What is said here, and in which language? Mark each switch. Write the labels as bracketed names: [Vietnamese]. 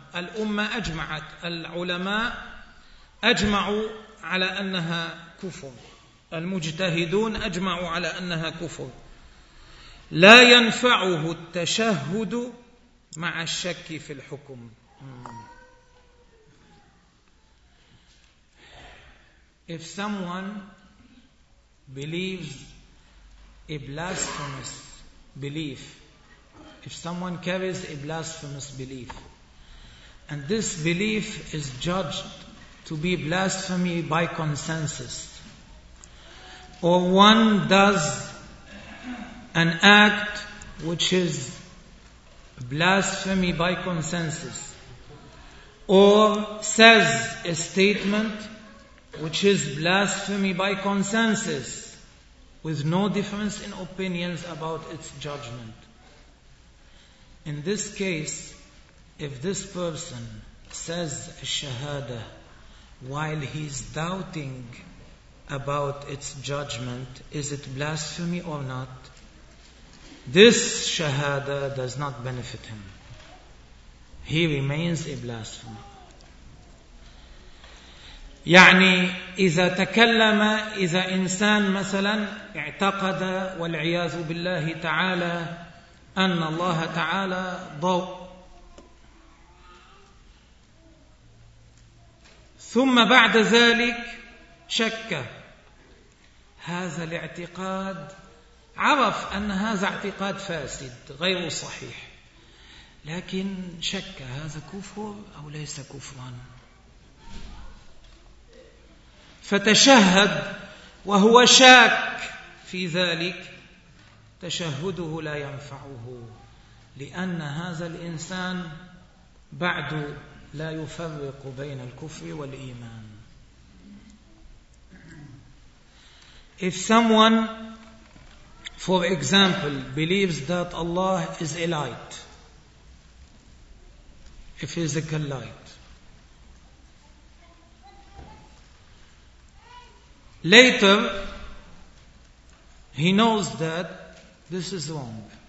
[Arabic] الأمة أجمعت، العلماء أجمعوا على أنها كفر، المجتهدون أجمعوا على أنها كفر. لا ينفعه التشهد مع الشك في الحكم. [English] If someone believes a blasphemous belief, if someone carries a blasphemous belief, and this belief is judged to be blasphemy by consensus, or one does an act which is blasphemy by consensus, or says a statement which is blasphemy by consensus, with no difference in opinions about its judgment. In this case, if this person says a shahada while he's doubting about its judgment, is it blasphemy or not? This shahada does not benefit him. He remains a blasphemer. [Arabic] يعني إذا تكلم إذا إنسان مثلا اعتقد والعياذ بالله تعالى أن الله تعالى ضوء ثم بعد ذلك شك هذا الاعتقاد عرف أن هذا اعتقاد فاسد غير صحيح لكن شك هذا كفر أو ليس كفرا فتشهد وهو شاك في ذلك تشهده لا ينفعه لأن هذا الإنسان بعد لا يفرق بين الكفر والإيمان. [English] If someone, for example, believes that Allah is a light, a physical light, later, he knows that this is wrong.